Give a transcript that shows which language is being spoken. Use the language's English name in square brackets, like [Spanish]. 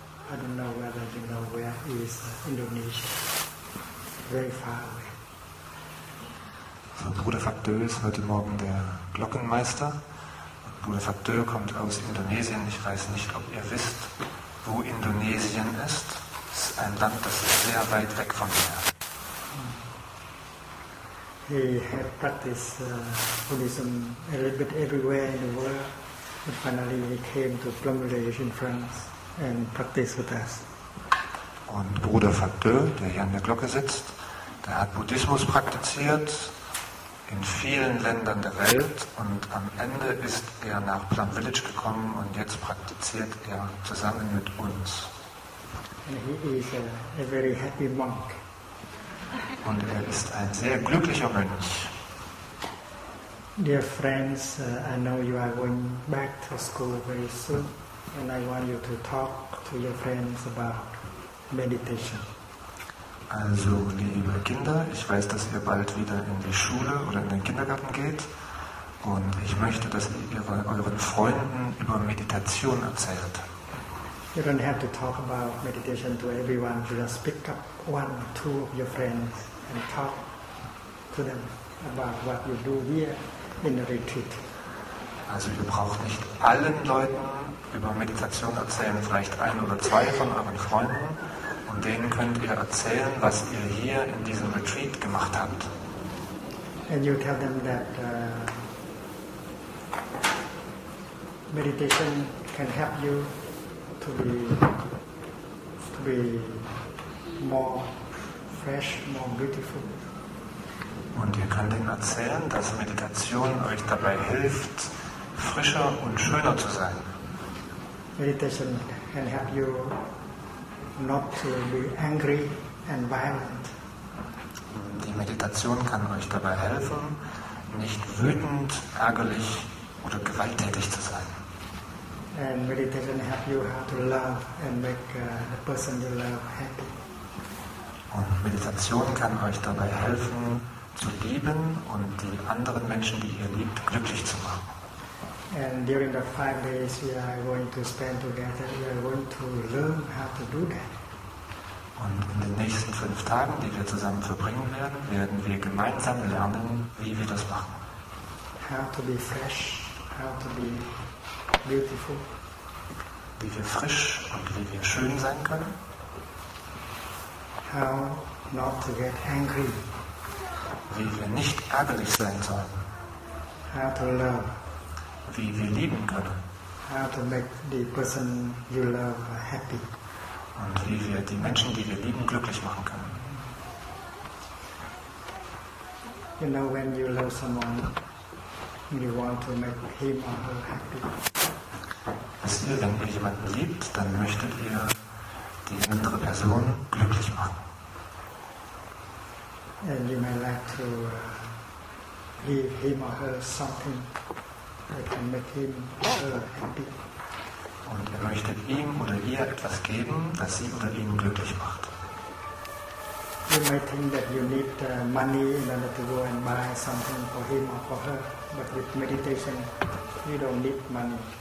[English] I don't know whether you know where he is, Indonesia. Very far away. [German] So Bruder Facteur ist heute Morgen der Glockenmeister. Bruder Facteur kommt aus Indonesien. Ich weiß nicht, ob ihr wisst, wo Indonesien ist. Es ist ein Land, das ist sehr weit weg von hier. [English] He had practiced Buddhism a little bit everywhere in the world, but finally he came to Plumelage in France and practiced with us. [German] Und Bruder Facteur, der hier an der Glocke sitzt, der hat Buddhismus praktiziert in vielen Ländern der Welt und am Ende ist er nach Plum Village gekommen und jetzt praktiziert er zusammen mit uns. [English] And he is a very happy monk. [German] Und er ist ein sehr glücklicher Mönch. [English] Dear friends, I know you are going back to school very soon and I want you to talk to your friends about meditation. [German] Also, liebe Kinder, ich weiß, dass ihr bald wieder in die Schule oder in den Kindergarten geht. Und ich möchte, dass ihr euren Freunden über Meditation erzählt. [English] You don't have to talk about meditation to everyone. You just pick up one or two of your friends and talk to them about what you do here in the retreat. [German] Also, ihr braucht nicht allen Leuten über Meditation erzählen, vielleicht ein oder zwei von euren Freunden. Und denen könnt ihr erzählen, was ihr hier in diesem Retreat gemacht habt. [English] And you tell them that meditation can help you to be more fresh, more beautiful. [German] Und ihr könnt ihnen erzählen, dass Meditation euch dabei hilft, frischer und schöner zu sein. [English] Meditation can help you not to be angry and violent. [German] Die Meditation kann euch dabei helfen, nicht wütend, ärgerlich oder gewalttätig zu sein. [English] And meditation helps you how to love and make the person you love happy. [German] Und Meditation kann euch dabei helfen, zu lieben und die anderen Menschen, die ihr liebt, glücklich zu machen. [English] And during the 5 days we are going to spend together, we are going to learn how to do that. [German] Und in den nächsten 5 Tagen, die wir zusammen verbringen werden, werden wir gemeinsam lernen, wie wir das machen. [English] How to be fresh, how to be beautiful. [German] Wie wir frisch und wie wir schön sein können. [English] How not to get angry. [German] Wie wir nicht ärgerlich sein sollen. [English] How to love. [German] Wie wir lieben können. [English] How to make the person you love happy. [German] Und wie wir die Menschen, die wir lieben, glücklich machen können. [English] You know, when you love someone, you want to make him or her happy. [German] Wisst ihr, wenn ihr jemanden liebt, dann möchtet ihr die andere Person glücklich machen. [English] And you may like to give him or her something that can make him or her happy. [German] Und ihr möchtet ihm oder ihr etwas geben, das sie oder ihn glücklich macht. [English] You might think that you need money in order to go and buy something for him or for her, but with meditation, you don't need money.